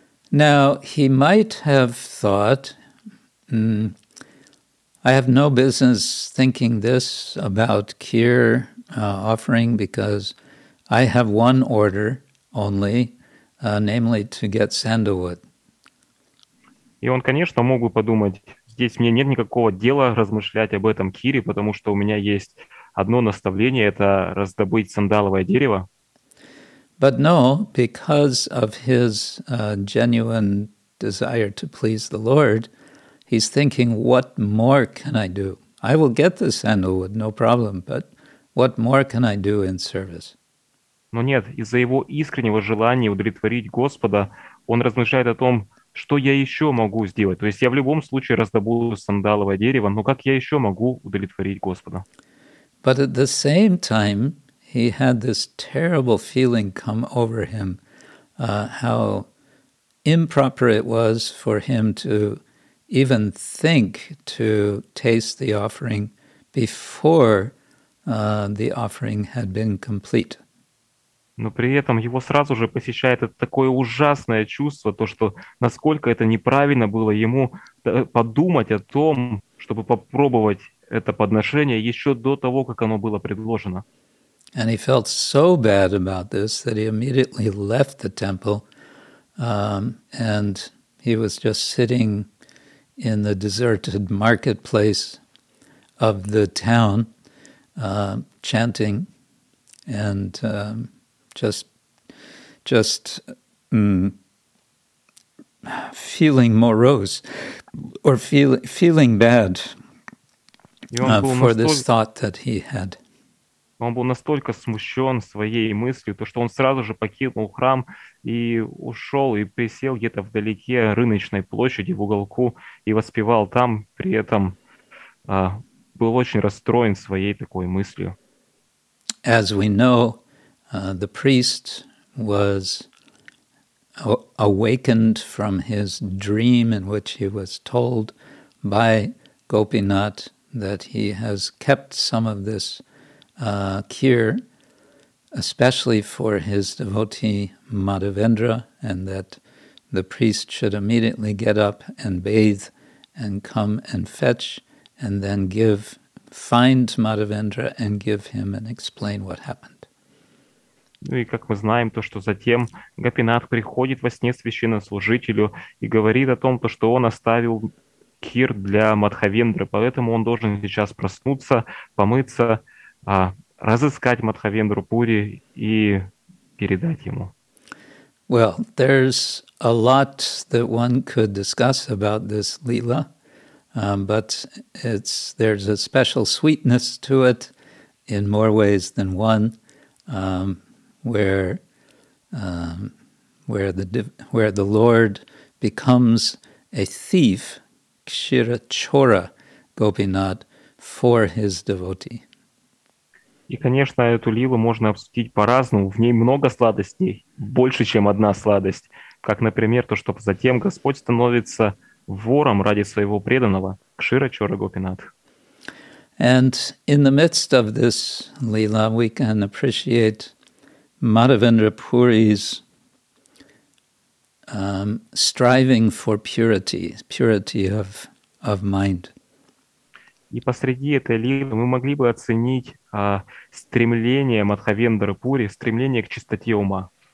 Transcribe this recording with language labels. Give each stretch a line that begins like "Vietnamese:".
English: Now, he might have thought, I have no business thinking this about kheer offering because I have one order only, namely to get sandalwood.
Russian: И он, конечно, мог бы подумать, здесь мне нет никакого дела размышлять об этом кире, потому что у меня есть одно наставление — это раздобыть сандаловое дерево.
English: But no, because of his genuine desire to please the Lord, he's thinking, what more can I do? I will get the sandalwood, no problem, but what more can I do in service?
Russian: Но нет, из-за его искреннего желания удовлетворить Господа, он размышляет о том, что я еще могу сделать. То есть я в любом случае раздобуду сандаловое дерево, но как я еще могу удовлетворить Господа?
English: But at the same time, he had this terrible feeling come over him, how improper it was for him to even think to taste the offering before the offering had been complete.
Russian: Но при этом его сразу же посещает это такое ужасное чувство, то, что насколько это неправильно было ему подумать о том, чтобы попробовать это подношение еще до того, как оно было предложено.
English: And he felt so bad about this that he immediately left the temple, and he was just sitting in the deserted marketplace of the town, chanting and just feeling morose or feeling bad for this thought that he had.
Russian: Он был настолько смущен своей мыслью, то, что он сразу же покинул храм и ушел, и присел где-то вдалеке рыночной площади в уголку и воспевал там, при этом был очень расстроен своей такой мыслью.
English: As we know, the priest was awakened from his dream in which he was told by Gopinath that he has kept some of this kheer, especially for his devotee Madhavendra, and that the priest should immediately get up and bathe and come and fetch and then find Madhavendra and give him and explain what happened.
Russian: Ну и как мы знаем, то, что затем Гопинат приходит во сне священнослужителю и говорит о том, то, что он оставил кхир для Мадхавендры, поэтому он должен сейчас проснуться, помыться, разыскать Мадхавендру Пури и передать ему.
English: Well, there's a lot that one could discuss about this Leela, but there's a special sweetness to it in more ways than one, where the Lord becomes a thief, Kshira Chora Gopinath, for his devotee.
Russian: И, конечно, эту лилу можно обсудить по-разному. В ней много сладостей, больше, чем одна сладость. Как, например, то, что затем Господь становится вором ради своего преданного, Кшира Чора Гопинатх.
English: And in the midst of this lila, we can appreciate Madhavendra Puri's striving for purity of mind.
Russian: И посреди этой лилы мы могли бы оценить стремление Мадхавендры Пури, стремление к чистоте ума.